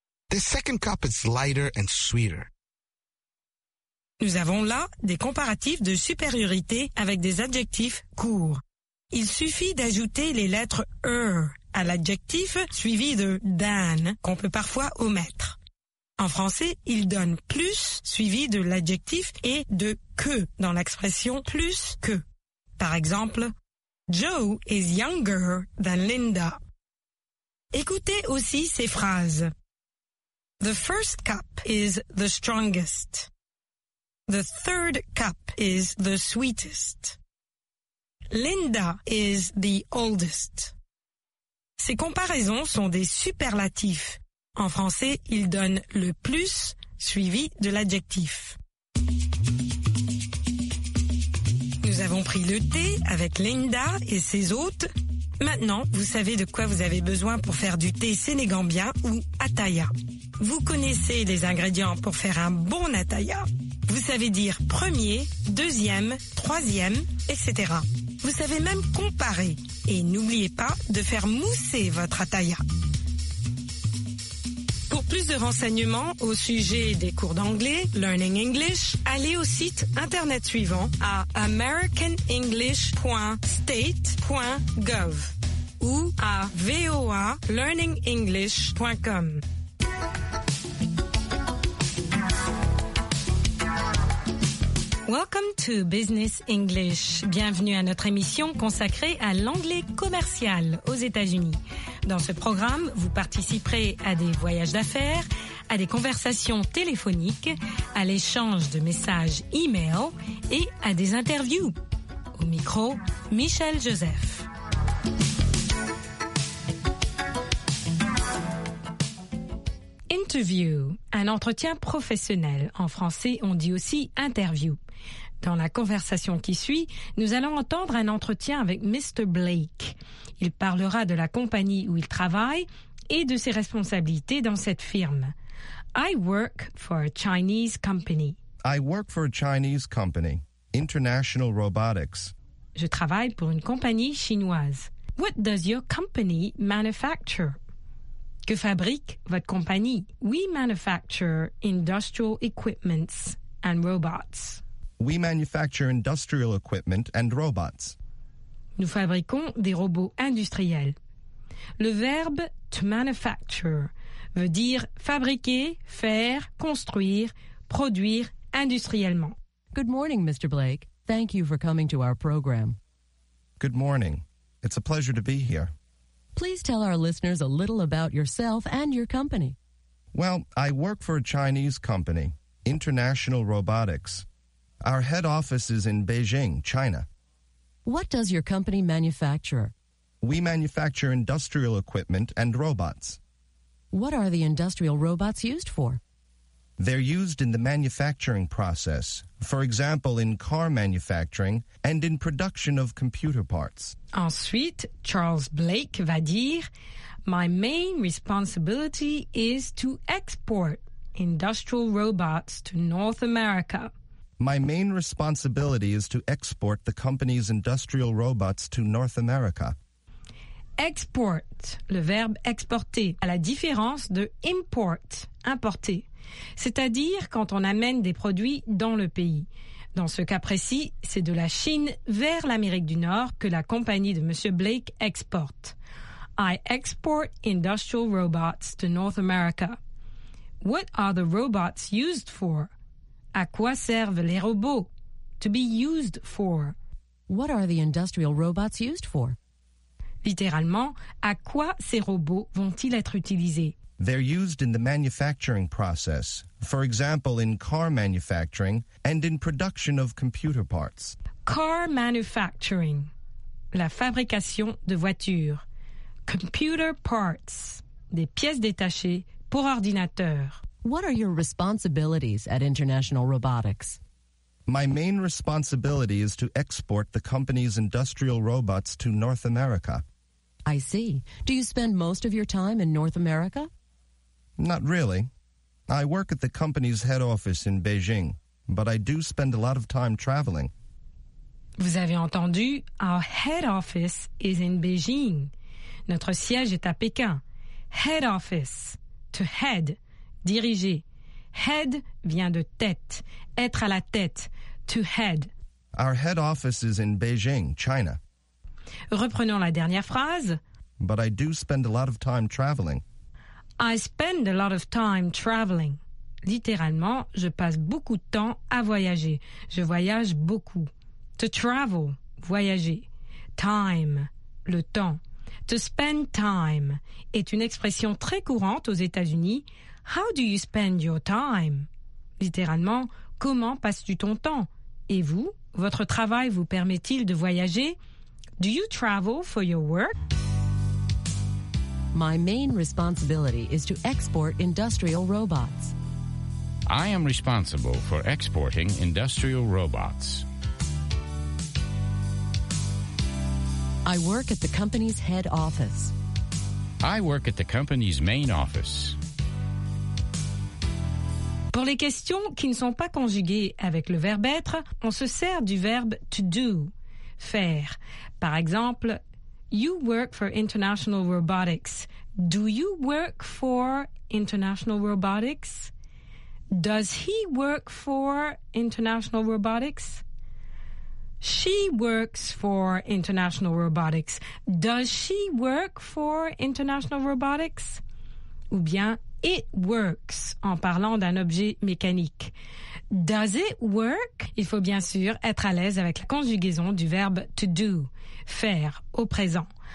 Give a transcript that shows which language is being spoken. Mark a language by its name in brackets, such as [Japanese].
[English] The second cup is lighter and sweeter. [French] Nous avons là des comparatifs de supériorité avec des adjectifs courts. Il suffit d'ajouter les lettres er à l'adjectif suivi de than qu'on peut parfois omettre. En français, il donne plus suivi de l'adjectif et de que dans l'expression plus que. Par exemple, [English] Joe is younger than Linda. [French] Écoutez aussi ces phrases. [English] The first cup is the strongest. The third cup is the sweetest. Linda is the oldest. [French] Ces comparaisons sont des superlatifs. En français, ils donnent le plus suivi de l'adjectif. Nous avons pris le thé avec Linda et ses hôtes. Maintenant, vous savez de quoi vous avez besoin pour faire du thé sénégambien ou ataya. Vous connaissez les ingrédients pour faire un bon ataya. Vous savez dire premier, deuxième, troisième, etc. Vous savez même comparer. Et n'oubliez pas de faire mousser votre ataya. Pour plus de renseignements au sujet des cours d'anglais, Learning English, allez au site internet suivant à americanenglish.state.gov ou à voalearningenglish.com. [English] Welcome to Business English. [French] Bienvenue à notre émission consacrée à l'anglais commercial aux États-Unis. Dans ce programme, vous participerez à des voyages d'affaires, à des conversations téléphoniques, à l'échange de messages e-mail et à des interviews. Au micro, Michel Joseph. Interview, un entretien professionnel. En français, on dit aussi interview. Dans la conversation qui suit, nous allons entendre un entretien avec Mr. Blake. Il parlera de la compagnie où il travaille et de ses responsabilités dans cette firme. [English] I work for a Chinese company. I work for a Chinese company, International Robotics. [French] Je travaille pour une compagnie chinoise. [English] What does your company manufacture? [French] Que fabrique votre compagnie? [English] We manufacture industrial equipments and robots. We manufacture industrial equipment and robots. [French] Nous fabriquons des robots industriels. Le verbe to manufacture veut dire fabriquer, faire, construire, produire industriellement. [English] Good morning, Mr. Blake. Thank you for coming to our program. Good morning. It's a pleasure to be here. Please tell our listeners a little about yourself and your company. Well, I work for a Chinese company, International Robotics. Our head office is in Beijing, China. What does your company manufacture? We manufacture industrial equipment and robots. What are the industrial robots used for? They're used in the manufacturing process, for example, in car manufacturing and in production of computer parts. [French] Ensuite, Charles Blake va dire, [English] "My main responsibility is to export industrial robots to North America." My main responsibility is to export the company's industrial robots to North America. [French] Export, le verbe exporter, à la différence de import, importer, c'est-à-dire quand on amène des produits dans le pays. Dans ce cas précis, c'est de la Chine vers l'Amérique du Nord que la compagnie de Monsieur Blake exporte. [English] I export industrial robots to North America. What are the robots used for? [French] À quoi servent les robots? [English] To be used for. What are the industrial robots used for? [French] Littéralement, à quoi ces robots vont-ils être utilisés? [English] They're used in the manufacturing process. For example, in car manufacturing and in production of computer parts. Car manufacturing. [French] La fabrication de voitures. [English] Computer parts. [French] Des pièces détachées pour ordinateur. [English] What are your responsibilities at International Robotics? My main responsibility is to export the company's industrial robots to North America. I see. Do you spend most of your time in North America? Not really. I work at the company's head office in Beijing, but I do spend a lot of time traveling. [French] Vous avez entendu, [English] our head office is in Beijing. [French] Notre siège est à Pékin. Head office. To head. Diriger. Head vient de tête. Être à la tête. To head. [English] Our head office is in Beijing, China. [French] Reprenons la dernière phrase. [English] But I do spend a lot of time traveling. I spend a lot of time traveling. [French] Littéralement, je passe beaucoup de temps à voyager. Je voyage beaucoup. To travel, voyager. Time, le temps. To spend time est une expression très courante aux États-Unis. [English] How do you spend your time? [French] Littéralement, comment passes-tu ton temps? Et vous, votre travail vous permet-il de voyager? [English] Do you travel for your work? My main responsibility is to export industrial robots. I am responsible for exporting industrial robots. I work at the company's head office. I work at the company's main office. [French] Pour les questions qui ne sont pas conjuguées avec le verbe être, on se sert du verbe to do, faire. Par exemple, [English] you work for International Robotics. Do you work for International Robotics? Does he work for International Robotics? She works for International Robotics. Does she work for International Robotics? [French] Ou bien, [English] it works, [French] en parlant d'un objet mécanique. [English] Does it work? [French] Il faut bien sûr être à l'aise avec la conjugaison du verbe to do, faire, au présent.